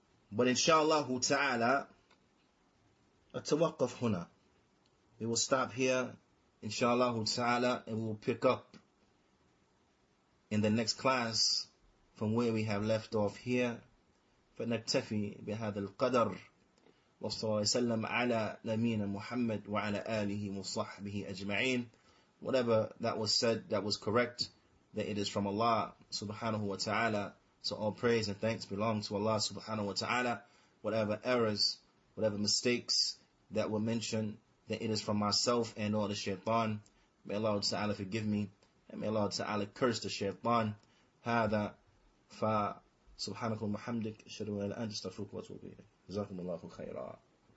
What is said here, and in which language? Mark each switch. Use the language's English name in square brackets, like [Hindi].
[English] But inshallah ta'ala, atawakaf huna. We will stop here, inshallah ta'ala, and we will pick up in the next class from where we have left off here. [Arabic] فَنَكْتَفِي بِهَذَا الْقَدَرِ وصلى الله وسلم على نبينا محمد وعلى آله وصحبه أجمعين. [English] Whatever that was said, that was correct, that it is from Allah subhanahu wa ta'ala. So all praise and thanks belong to Allah subhanahu wa ta'ala. Whatever errors, whatever mistakes that were mentioned, that it is from myself and all the shaytan. May Allah ta'ala forgive me. And may Allah ta'ala curse the shaytan. [Arabic] هذا فسبحانك ومحمدك أشهد أن لا إله إلا أنت أستغفرك وأتوب إليك. جزاكم الله خيرا.